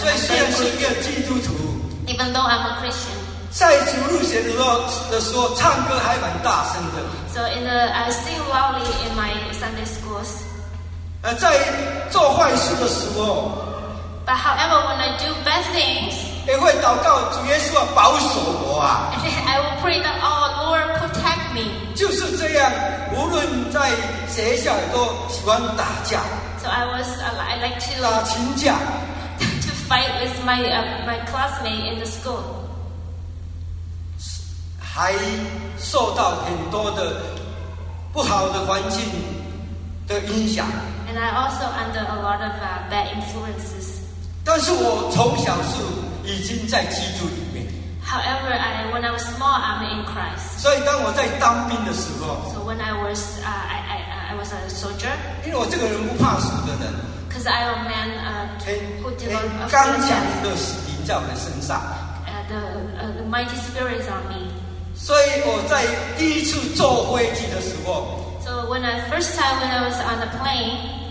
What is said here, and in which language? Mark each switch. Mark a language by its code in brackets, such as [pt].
[zh] 所以虽然是一个基督徒, [en] even though I'm a Christian. [zh] 在主日学的时候唱歌还蛮大声的。 [en] So in the, I sing loudly in my Sunday schools. [zh] 在做坏事的时候, [en] but however, when I do bad things, [zh] 也会祷告主耶稣保守我啊。 [en] I will pray that, oh Lord, protect me. [zh] 就是这样, 无论在学校都喜欢打架。 [en] So I was, I like to [zh] 打群架, [en] to fight with my, my classmate in the school. [zh] 还受到很多的不好的环境的影响。 [en] And I also under a lot of bad influences. [zh] 但是我从小是已经在基督里面。 [en] However, when I was small, I'm in Christ. [zh] 所以当我在当兵的时候。 [en] So when I was a soldier. [zh] 因为我这个人不怕死的人。 [en] Because I'm a man who develops a fear. [zh] 刚强的灵在我的身上。 [en] The mighty spirit is on me. [zh] 所以我在第一次坐飞机的时候, [en] so when I first time when I was on the plane,